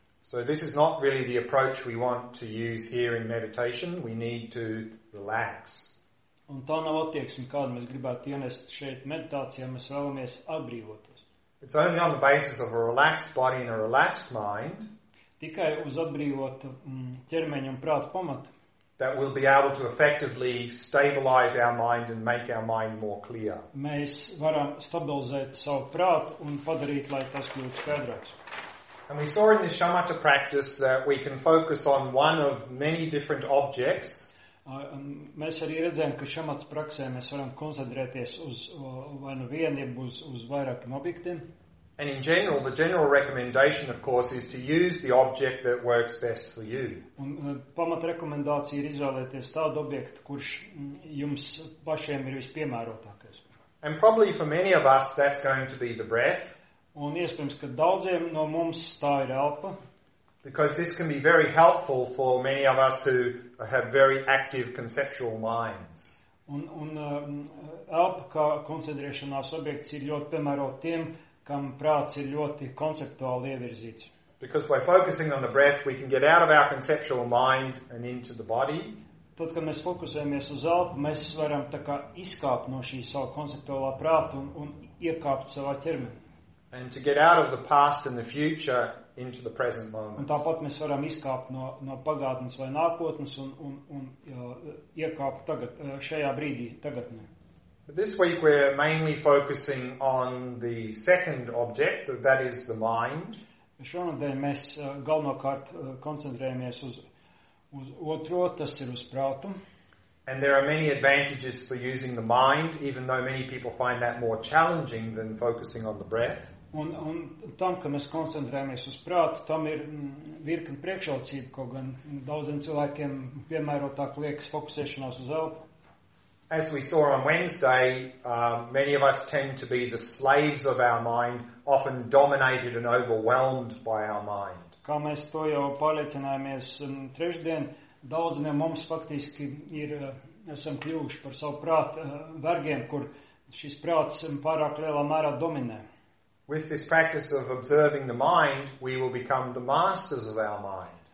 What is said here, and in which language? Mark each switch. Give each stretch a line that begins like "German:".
English: So this is not really the approach we want to use here in meditation. We need to relax.
Latvian: Un tā nav attieksme, kādu mēs gribētu ienest šeit meditācijā, mēs vēlamies atbrīvoties.
English: It's only on the basis of a relaxed body and a relaxed mind.
Latvian: Tikai uz atbrīvotu ķermeņu un prātu pamatu.
English: That we'll be able to effectively stabilize our mind and make our mind more clear.
Latvian: Mēs varam stabilizēt savu prātu un padarīt, lai tas kļūtu skaidrāks.
English: And we saw in this shamatha practice that we can focus on one of many different objects.
Latvian: Mēs arī redzējam, ka šamatas praksē mēs varam koncentrēties uz vai nu vieniem, uz vairākiem objektiem.
English: And in general, the general recommendation, of course, is to use the object that works best for you.
Latvian: Un pamata rekomendācija ir izvēlēties tādu objektu, kurš jums pašiem ir vispiemērotākais.
English: And probably for many of us that's going to be the breath.
Latvian: Un iespējams, ka daudziem no mums tā ir elpa.
English: Because this can be very helpful for many of us who have very active conceptual minds.
Latvian: Un elpa kā koncentrēšanās objekts ir ļoti piemērots tiem, kam prāts ir ļoti konceptuāli ievirzīts.
English: Because by focusing on the breath, we can get out of our conceptual mind and into the body.
Latvian: Tad, kad mēs fokusējamies uz elpu, mēs varam tā kā izkāpt no šī savu konceptuālā prāta un iekāpt savā ķermenī.
English: And to get out of the past and the future into the present moment.
Latvian: Un tāpat mēs varam izkāpt no pagātnes vai nākotnes un iekāpt tagad, šajā brīdī, tagadnē.
English: But this week we're mainly focusing on the second object, that is the mind.
Latvian: Šonadēļ mēs galvenokārt koncentrējamies uz otro, tas ir uz prātu.
English: And there are many advantages for using the mind, even though many people find that more challenging than focusing on the breath.
Latvian: Un tam, ka mēs koncentrējamies uz prātu, tam ir virkni priekšrocība, ko gan daudziem cilvēkiem piemērotāk liekas fokusēšanās uz elpu.
English: As we saw on Wednesday, many of us tend to be the slaves of our mind, often dominated and overwhelmed by our mind.
Latvian: Kā mēs to jau pārliecinājāmies trešdien, daudz no mums faktiski esam kļuvuši par savu prātu vergiem, kur šis prāts pārāk lielā mērā dominē.
English: With this practice of observing the mind, we will become the masters of our mind.